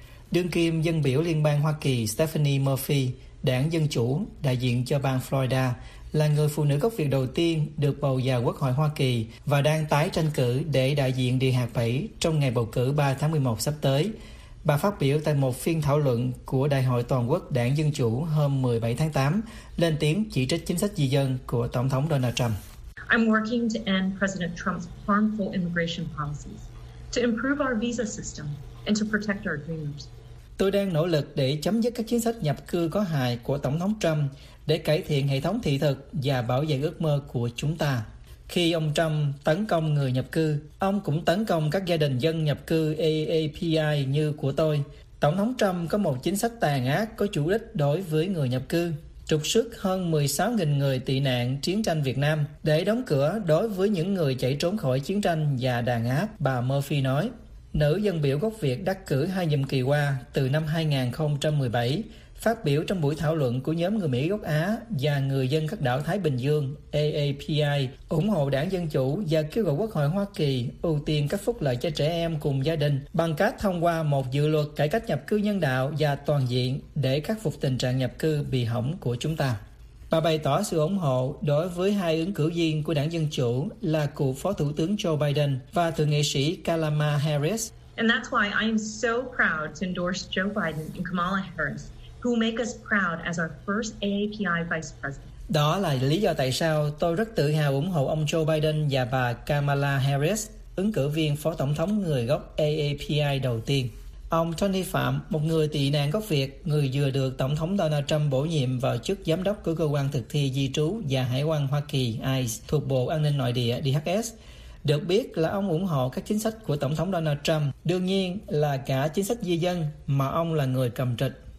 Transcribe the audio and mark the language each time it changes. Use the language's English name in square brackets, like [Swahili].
[Vietnamese] Đương kim dân biểu liên bang Hoa Kỳ Stephanie Murphy, đảng Dân Chủ, đại diện cho bang Florida, là người phụ nữ gốc Việt đầu tiên được bầu vào Quốc hội Hoa Kỳ và đang tái tranh cử để đại diện địa hạt 7 trong ngày bầu cử 3 tháng 11 sắp tới. Bà phát biểu tại một phiên thảo luận của Đại hội Toàn quốc đảng Dân Chủ hôm 17 tháng 8, lên tiếng chỉ trích chính sách di dân của Tổng thống Donald Trump. [English] I'm working to end President Trump's harmful immigration policies, to improve our visa system and to protect our dreamers. [Vietnamese] Tôi đang nỗ lực để chấm dứt các chính sách nhập cư có hại của Tổng thống Trump để cải thiện hệ thống thị thực và bảo vệ ước mơ của chúng ta. Khi ông Trump tấn công người nhập cư, ông cũng tấn công các gia đình dân nhập cư AAPI như của tôi. Tổng thống Trump có một chính sách tàn ác có chủ đích đối với người nhập cư, trục xuất hơn 16.000 người tị nạn chiến tranh Việt Nam để đóng cửa đối với những người chạy trốn khỏi chiến tranh và đàn áp, bà Murphy nói. Nữ dân biểu gốc Việt đắc cử hai nhiệm kỳ qua từ năm 2017, phát biểu trong buổi thảo luận của nhóm người Mỹ gốc Á và người dân các đảo Thái Bình Dương, AAPI, ủng hộ đảng Dân Chủ và kêu gọi Quốc hội Hoa Kỳ ưu tiên các phúc lợi cho trẻ em cùng gia đình bằng cách thông qua một dự luật cải cách nhập cư nhân đạo và toàn diện để khắc phục tình trạng nhập cư bị hỏng của chúng ta. Bà bày tỏ sự ủng hộ đối với hai ứng cử viên của đảng Dân Chủ là cựu Phó Thủ tướng Joe Biden và Thượng nghị sĩ Kamala Harris. [English] And that's why I am so proud to endorse Joe Biden and Kamala Harris, who make us proud as our first AAPI vice president. [Vietnamese] Đó là lý do tại sao tôi rất tự hào ủng hộ ông Joe Biden và bà Kamala Harris, ứng cử viên phó tổng thống người gốc AAPI đầu tiên. Ông Tony Phạm, một người tị nạn gốc Việt, người vừa được Tổng thống Donald Trump bổ nhiệm vào chức giám đốc của cơ quan thực thi di trú và hải quan Hoa Kỳ ICE thuộc Bộ An ninh Nội địa DHS, được biết là ông ủng hộ các chính sách của Tổng thống Donald Trump, đương nhiên là cả chính sách di dân mà ông là người cầm trịch.